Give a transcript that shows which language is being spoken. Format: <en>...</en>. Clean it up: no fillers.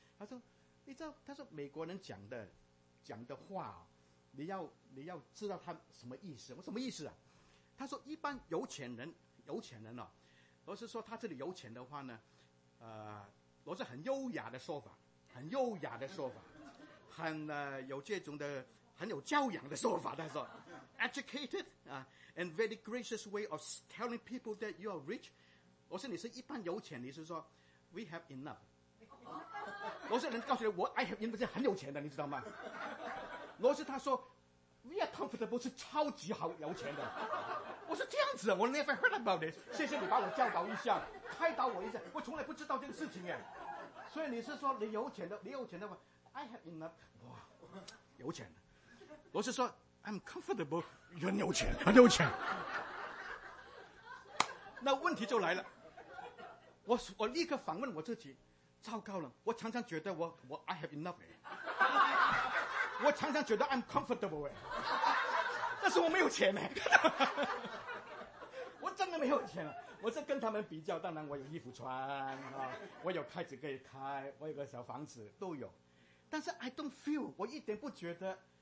<zh>他说，你知道，他说美国人讲的话，你要知道他什么意思。我什么意思啊？他说一般有钱人哦，罗斯说他这里有钱的话呢，罗斯很优雅的说法，很优雅的说法，很有这种的很有教养的说法。他说</zh> <en>educated and very gracious way of telling people that you are rich.</en> <zh>我说你是一般有钱，你是说</zh> <en>we have enough.</en> <zh>罗斯能告诉你我</zh> <en>I have enough</en> <zh>是很有钱的，你知道吗？罗斯他说</zh> <en>we are comfortable</en> <zh>是超级好有钱的。我说这样子，我</zh> <en>never heard about it.</en> <zh>谢谢你把我教导一下，开导我一下，我从来不知道这个事情。所以你是说你有钱的话</zh> <en>I have enough.</en> <zh>哇，有钱的。罗斯说</zh> <en>I'm comfortable,</en> <zh>很有钱，很有钱。那问题就来了，我立刻反问我自己，糟糕了，我常常觉得我</zh> <en>I have enough</en> <zh>哎，我常常觉得</zh> <en>I'm comfortable</en> <zh>哎，但是我没有钱哎，我真的没有钱了。我是跟他们比较，当然我有衣服穿啊，我有开子可以开，我有个小房子都有，但是</zh> <en>I don't feel,</en> <zh>我一点不觉得。</zh>